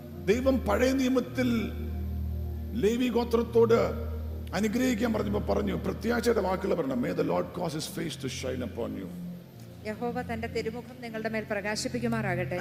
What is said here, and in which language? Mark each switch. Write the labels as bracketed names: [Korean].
[Malayalam] ദൈവം പഴയ നിയമത്തിൽ ലേവി ഗോത്രത്തോട് അനുഗ്രഹിക്കാൻ പറഞ്ഞപ്പോ പറഞ്ഞു പ്രത്യാശയുടെ വാക്കുകൾ പറഞ്ഞു. [English] May the Lord cause his face to shine upon you. [Malayalam] യഹോവ തന്റെ തിരുമുഖം നിങ്ങളുടെ മേൽ പ്രകാശിപ്പിക്കുമാറാകട്ടെ.